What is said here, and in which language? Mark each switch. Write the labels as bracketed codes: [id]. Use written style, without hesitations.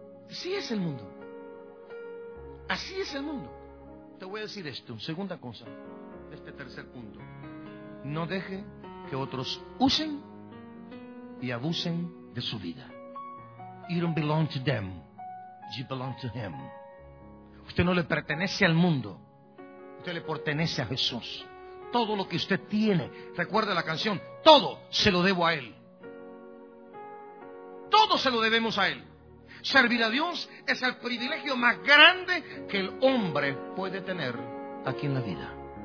[es] Así es el mundo. Así es el mundo. Te voy a decir esto, segunda cosa, este tercer punto. No deje que otros usen y abusen de su vida. [en] You don't belong to them, you belong to him. [es] Usted no le pertenece al mundo, usted le pertenece a Jesús. Todo lo que usted tiene, recuerda la canción, todo se lo debo a él. Todo se lo debemos a él. Servir a Dios es el privilegio más grande que el hombre puede tener aquí en la vida.